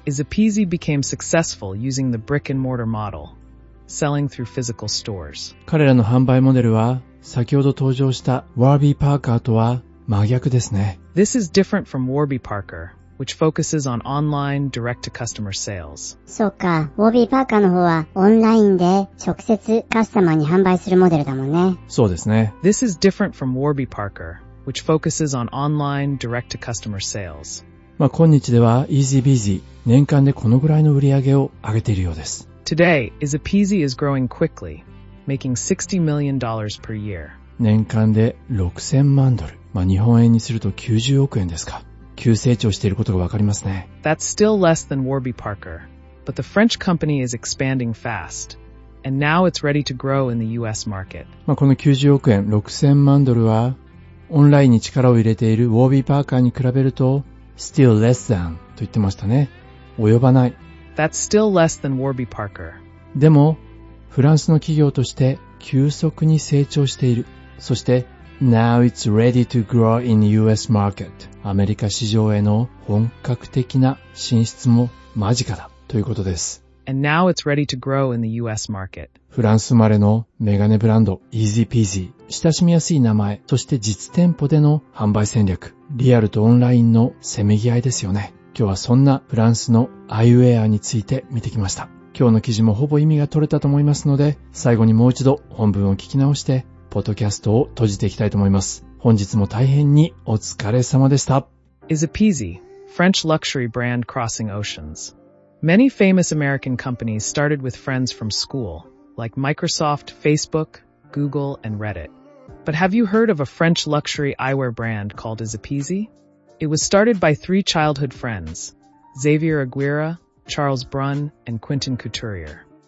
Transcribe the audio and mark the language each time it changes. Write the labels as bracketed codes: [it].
[en] Ezepeasy became successful using the brick and mortar model, selling through physical stores. [ja] 彼らの販売モデルは先ほど登場したワービーパーカーとは真逆ですね。 [en] This is different from Warby Parker. Which focuses on online direct to customer sales. [ja] そうか、ウォービーパーカーの方はオンラインで直接カスタマーに販売するモデルだもんね。そうですね。 [en] This is different from Warby Parker, which focuses on online direct to customer sales. [ja] まあ今日では Easy Peasy 年間でこのぐらいの売り上げを上げているようです。 [en] Today, Ezepeasy is growing quickly, making $60 million per year. [ja] 年間で6000万ドル。まあ日本円にすると90億円ですか。急成長していることがわかりますね。 [en] That's still less than Warby Parker, but the French company is expanding fast, and now it's ready to grow in the US market. [ja] まあこの90億円、6000万ドルは、オンラインに力を入れているウォービーパーカーに比べると、 [en] still less than [ja] と言ってましたね。及ばない。 [en] That's still less than Warby Parker. [ja] でも、フランスの企業として急速に成長している。そして、 [en] Now it's ready to grow in the US market. [ja] アメリカ市場への本格的な進出も間近だということです。 [en] And now it's ready to grow in the US market. [ja] フランス生まれのメガネブランド Easy Peasy。親しみやすい名前、そして実店舗での販売戦略。リアルとオンラインのせめぎ合いですよね。今日はそんなフランスのアイウェアについて見てきました。今日の記事もほぼ意味が取れたと思いますので、最後にもう一度本文を聞き直して、ポッドキャストを閉じていきたいと思います。本日も大変にお疲れ様でした。 [en] Ezepeasy, French luxury brand crossing oceans. Many famous American companies started with friends from school, like Microsoft, Facebook, Google, and Reddit. But have you heard of a French luxury eyewear brand called Izapizi? It was started by three childhood friends, Xavier Aguirre, Charles Brun, and Quentin Couturier.